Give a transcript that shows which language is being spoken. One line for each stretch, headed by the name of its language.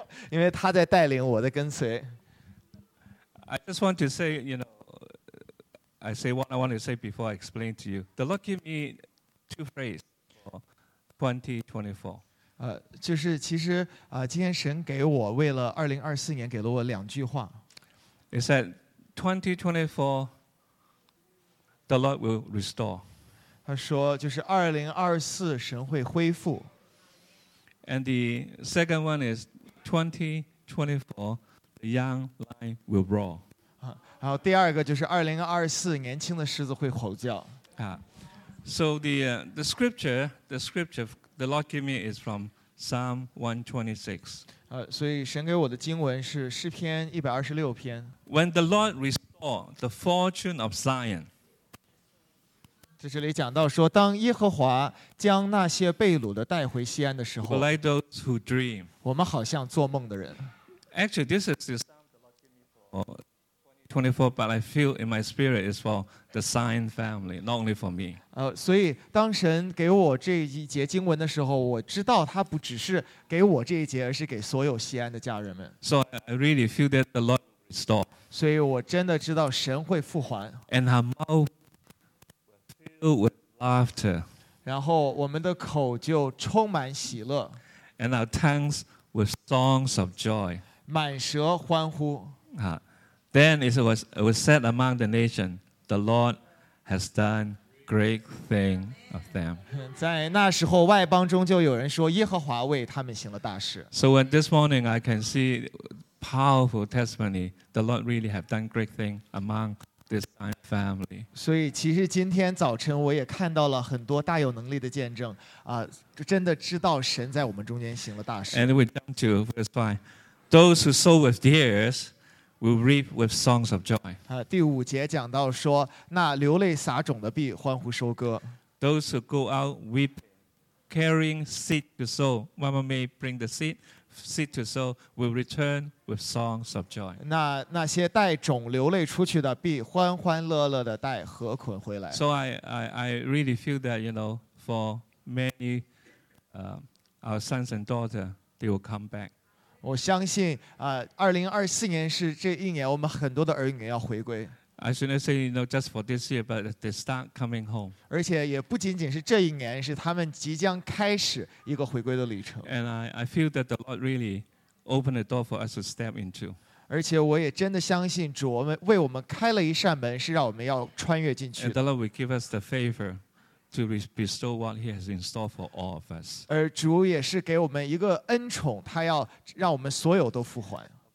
Chinese: 因为他在带领我的跟随。
English: I just want to say, you know, I say what I want to say before I explain to you. The Lord gave me two phrases for 2024.
Chinese: 就是其实今天神给我为了2024年给了我两句话.
English: He said, 2024, the Lord will restore.
Chinese: 他说就是2024神会恢复.
English: And the second one is 2024, the young lion will roar.
Chinese: 然后第二个就是2024年轻的狮子会吼叫。
English: So the scripture the Lord gave me is from Psalm 126.
Chinese: 所以神给我的经文是诗篇126篇。
English: When the Lord restored the fortune of Zion.
Chinese: 在这里讲到说，当耶和华将那些被掳的带回锡安的时候，
English: We're like those who dream.
Chinese: 我们好像做梦的人。
English: Actually, this is the Psalm the Lord gave me for 2024, but I feel in my spirit it's for the Zion family, not only for me.
Chinese: 所以当神给我这一节经文的时候，我知道他不只是给我这一节，而是给所有锡安的家人们。
English: So I really feel that the Lord will restore.
Chinese: 所以我真的知道神会复还。
English: And her mouth filled with laughter.
Chinese: 然后我们的口就充满喜乐。
English: And our tongues with songs of joy.
Chinese: 满舌欢呼。
English: Then it was said among the nation, the Lord has done great thing of them.
Chinese: 在那时候，外邦中就有人说，耶和华为他们行了大事。
English: So when this morning I can see powerful testimony, the Lord really have done great thing among this family.
Chinese: 所以其实今天早晨我也看到了很多大有能力的见证，真的知道神在我们中间行了大事。
English: And we jump to verse 5. Those who sow with tears. We'll reap with songs of joy.
Chinese: 第五节讲到说，那流泪撒种的必欢呼收割。
English: Those who go out weep, carrying seed to sow, mama may bring the seed to sow, will return with songs of joy.
Chinese: 那些带种流泪出去的必欢欢乐乐的带禾捆回来。
English: So I really feel that, you know, for many, our sons and daughters, they will come back.
Chinese: 我相信2024年是这一年我们很多的儿女要回归。
English: I shouldn't say no just for this year, but they start coming home.
Chinese: 而且也不仅仅是这一年，是他们即将开始一个回归的旅程。
English: And I feel that the Lord really opened the door for us to step into.
Chinese: 而且我也真的相信主为我们开了一扇门，是让我们要穿越进去。
English: And the Lord will give us the favor. To bestow what He has in store for all of us.
Chinese: 而主也是给我们一个恩宠，他要让我们所有都复还。